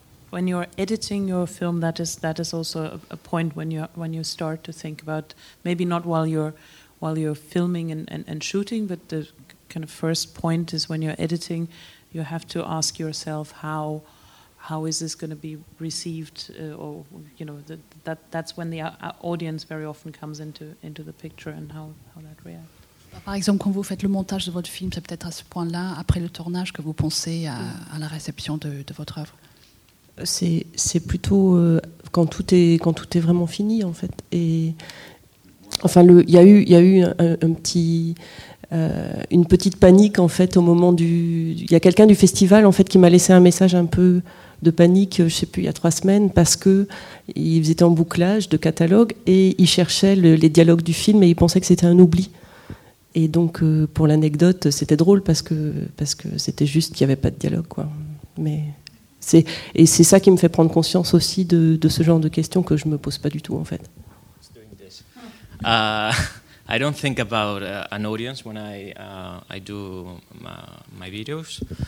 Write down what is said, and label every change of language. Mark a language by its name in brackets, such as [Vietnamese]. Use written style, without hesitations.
[English] When you're editing your film, that is also a point when you start to think about, maybe not while you're filming and shooting, but the kind of first point is when you're editing, you have to ask yourself how is this going to be received, or you know that's when the audience very often comes into the picture and how that reacts. [French] Par exemple, quand vous faites le montage de votre film, c'est peut-être à ce point-là, après le tournage, que vous pensez à la réception de votre œuvre. C'est plutôt quand tout est vraiment fini, en fait. Et enfin, il y a eu une petite panique, en fait, au moment du. Il y a quelqu'un du festival, en fait, qui m'a laissé un message un peu de panique, je sais plus, il y a 3 semaines, parce que ils étaient en bouclage de catalogue et ils cherchaient les dialogues du film et ils pensaient que c'était un oubli. Et donc, pour l'anecdote, c'était drôle parce que c'était juste qu'il n'y avait pas de dialogue, quoi. Mais c'est ça qui me fait prendre conscience aussi de ce genre de questions que je ne me pose pas du tout, en fait. [English] I don't think about an audience when I do my videos.